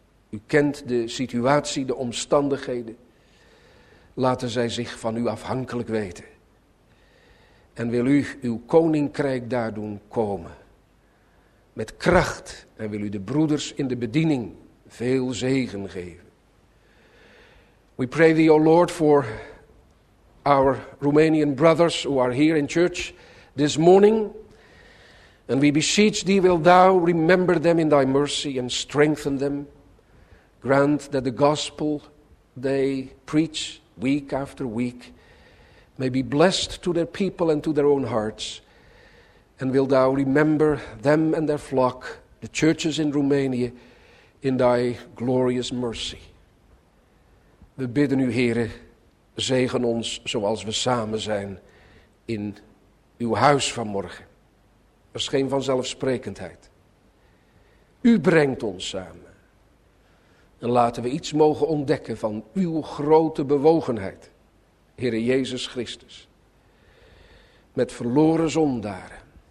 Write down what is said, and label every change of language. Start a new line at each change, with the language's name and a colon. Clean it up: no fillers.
Dutch: U kent de situatie, de omstandigheden. Laten zij zich van u afhankelijk weten. En wil u uw koninkrijk daar doen komen. Met kracht en wil u de broeders in de bediening veel zegen geven.
English: We pray thee, O Lord, for our Romanian brothers who are here in church this morning, and we beseech thee, will thou remember them in thy mercy and strengthen them. Grant that the gospel they preach week after week may be blessed to their people and to their own hearts. And will thou remember them and their flock, the churches in Romania, in thy glorious mercy.
Dutch: We bidden u, Heere, zegen ons zoals we samen zijn in uw huis vanmorgen. Dat is geen vanzelfsprekendheid. U brengt ons samen. En laten we iets mogen ontdekken van uw grote bewogenheid, Heere Jezus Christus, met verloren zondaren.